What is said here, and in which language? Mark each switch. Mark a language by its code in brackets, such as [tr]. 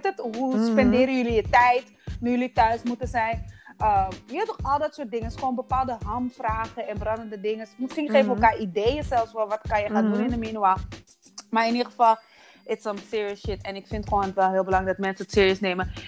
[nl] Hoe spenderen jullie je tijd nu jullie thuis moeten zijn? Je hebt toch al dat soort dingen. Gewoon bepaalde hamvragen en brandende dingen. Misschien geven elkaar ideeën zelfs wel. Wat kan je gaan doen in de meanwhile? Maar in ieder geval, [en] it's some serious shit. [nl] En ik vind gewoon wel heel belangrijk dat mensen het serieus nemen.